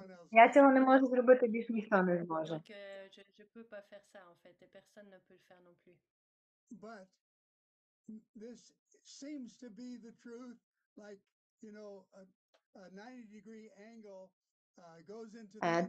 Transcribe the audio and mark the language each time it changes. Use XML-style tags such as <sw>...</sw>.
<uk>Я цього не можу зробити, більш ніхто не зможе.</uk> <fr>Donc, je peux pas faire ça, en fait, et personne ne peut le faire non plus.</fr> <en>But this seems to be the truth, like, you know, a 90-degree angle goes into the...</en>